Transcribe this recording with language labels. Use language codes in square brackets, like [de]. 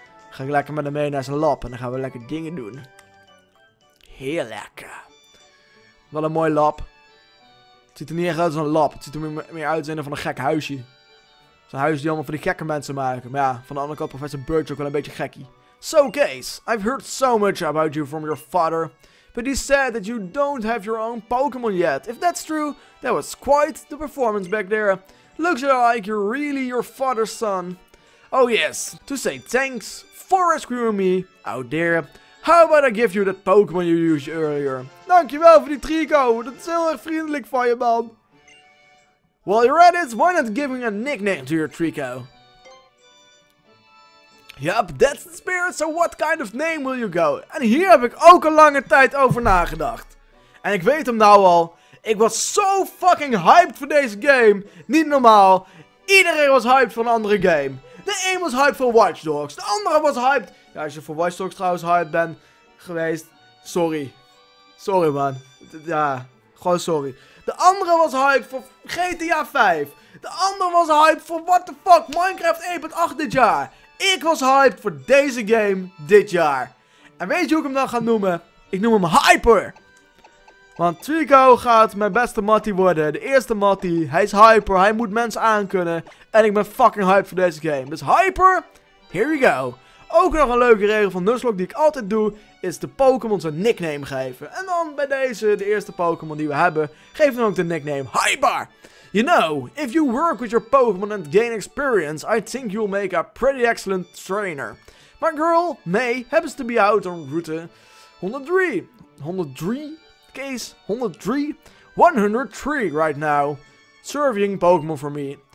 [nl] Ga ik lekker met hem mee naar zijn lab en dan gaan we lekker dingen doen. Heel lekker. Wel een mooi lab. Het ziet er niet echt uit als een lab. Het ziet er meer uit als een van een gek huisje. Zo'n huis die allemaal van die gekke mensen maken. Maar ja, van de andere kant professor Birch ook wel een beetje gekkie. [en] So Case, I've heard so much about you from your father. But he said that you don't have your own Pokémon yet. If that's true, that was quite the performance back there. Looks like you're really your father's son. Oh yes, to say thanks for rescuing me out there. How about I give you that Pokémon you used earlier? [nl] Dankjewel voor die trico, dat is heel erg vriendelijk van je, man. [en] While you're at it, why not give me a nickname to your trico? Yup, that's the spirit, so what kind of name will you go? [nl] En hier heb ik ook een lange tijd over nagedacht. En ik weet hem nou al, ik was zo fucking hyped voor deze game. Niet normaal, iedereen was hyped voor een andere game. De een was hyped voor Watch Dogs, de andere was hyped... Ja, als je voor Watch Dogs trouwens hyped bent geweest, sorry. Sorry, man. Ja, gewoon sorry. De andere was hyped voor GTA 5. De andere was hyped voor [en] what the fuck, [nl] Minecraft 1.8 dit jaar. Ik was hyped voor deze game dit jaar. En weet je hoe ik hem dan ga noemen? Ik noem hem Hyper. Want Trico gaat mijn beste mattie worden. De eerste mattie. Hij is hyper. Hij moet mensen aankunnen. En ik ben fucking hyped voor deze game. Dus Hyper, [en] here we go. [nl] Ook nog een leuke regel van Nuzlocke die ik altijd doe, is de Pokémon zijn nickname geven. En dan bij deze, de eerste Pokémon die we hebben, geef dan ook de nickname Hyper. [en] You know, if you work with your Pokémon and gain experience, I think you'll make a pretty excellent trainer. My girl, May, happens to be out on route 103 right now, serving Pokémon for me.